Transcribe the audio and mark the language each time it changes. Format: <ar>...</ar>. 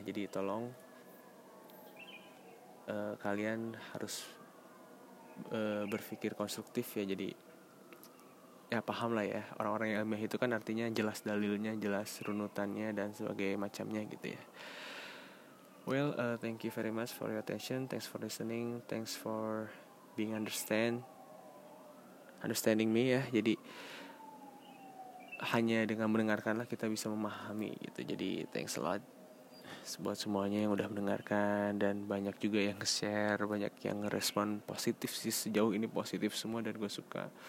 <id>Jadi tolong kalian harus berpikir konstruktif ya. Jadi ya paham lah ya, orang-orang yang ilmiah itu kan artinya jelas dalilnya, jelas runutannya dan sebagainya macamnya gitu ya.</id> <en>Well, thank you very much for your attention. Thanks for listening. Thanks for being understanding me ya.</en> <id>Jadi hanya dengan mendengarkanlah kita bisa memahami gitu. Jadi thanks a lot buat semuanya yang udah mendengarkan, dan banyak juga yang share, banyak yang respon positif sih. Sejauh ini positif semua dan gue suka.</id>